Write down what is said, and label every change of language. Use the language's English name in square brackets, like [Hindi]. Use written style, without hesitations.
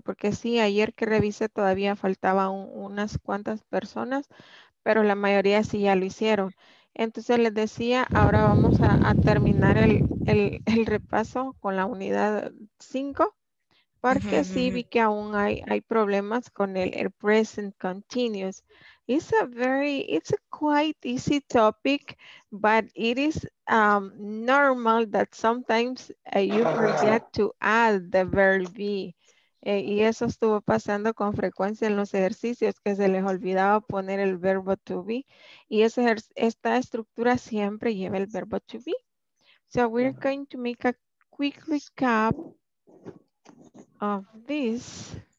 [Spanish] Porque sí, ayer que revisé todavía faltaba unas cuantas personas, pero la mayoría sí ya lo hicieron. Entonces les decía, ahora vamos a terminar el repaso con la unidad 5. Porque sí vi que aún hay problemas con el present continuous. [English] It's a very, it's a quite easy topic, but it is normal that sometimes you forget to add the verb be. [Spanish] Y eso estuvo pasando con frecuencia en los ejercicios, que se les olvidaba poner el verbo to be. Y esta estructura siempre lleva el verbo to be. [English] So we're going to make a quick recap of this.